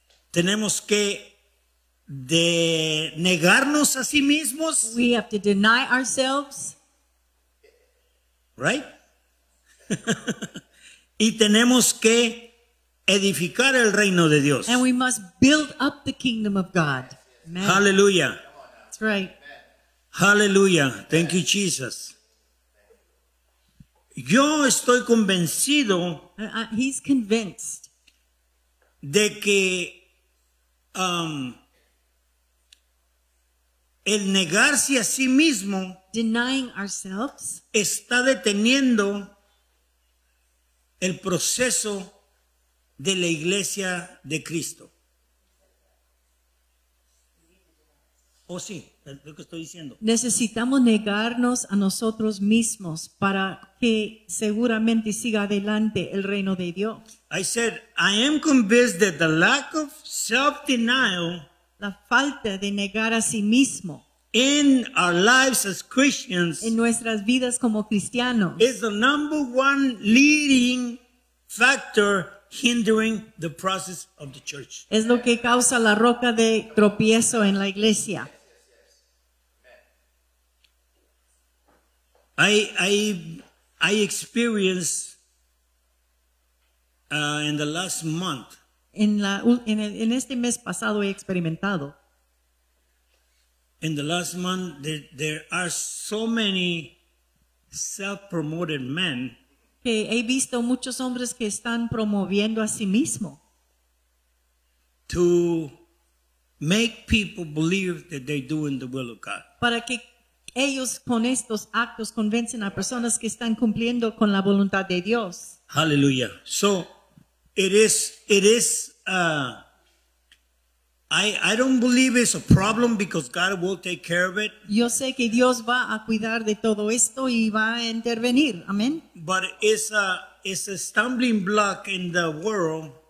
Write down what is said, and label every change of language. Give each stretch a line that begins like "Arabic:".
Spanish: Tenemos que de negarnos a sí mismos.
English: We have to deny ourselves. Right?
Spanish: Y tenemos que edificar el reino de Dios.
English: And we must build up the kingdom of God. Amen. Hallelujah. That's right. Hallelujah. Thank you, Jesus.
Spanish: Yo estoy convencido.
English: He's convinced.
Spanish: De que el negarse a sí mismo.
English: Denying ourselves.
Spanish: Está deteniendo el proceso de la iglesia de Cristo. Oh, sí, lo que estoy diciendo. Necesitamos negarnos a nosotros mismos para que seguramente siga adelante el reino de Dios.
English: I said, I am convinced that the lack of self-denial,
Spanish: la falta de negar a sí mismo,
English: in our lives as Christians,
Spanish: en nuestras vidas como cristianos,
English: is the number one leading factor hindering the process of the church.
Spanish: Es lo que causa la roca de tropiezo en la iglesia.
English: I experienced in the last month.
Spanish: En este mes pasado he experimentado.
English: In the last month, there are so many self-promoted men.
Spanish: Que he visto muchos hombres que están promoviendo a sí mismo.
English: To make people believe that they're doing the will of God.
Spanish: Para que ellos con estos actos convencen a personas que están cumpliendo con la voluntad de Dios.
English: Hallelujah. So, I don't believe it's a problem because God will take care of it.
Spanish: Yo sé que Dios va a cuidar de todo esto y va a intervenir. Amén.
English: But it's a stumbling block in the world.